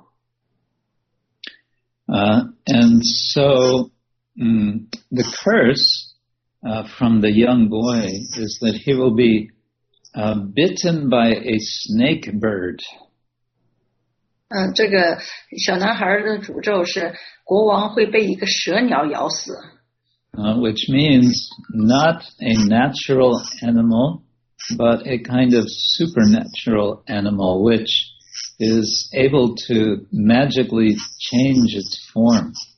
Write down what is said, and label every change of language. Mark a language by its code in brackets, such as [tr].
[zh] 他把一条蛇盘在了那个圣人的脖子上面，然后他的圣人的儿子呢因此而生气，他就诅咒了国王会在7日之内死亡。 [en] And so, the curse from the young boy is that he will be bitten by a snake bird. [zh] 这个小男孩的诅咒是国王会被一个蛇鸟咬死。 [en] Which means not a natural animal, but a kind of supernatural animal, which is able to magically change its form.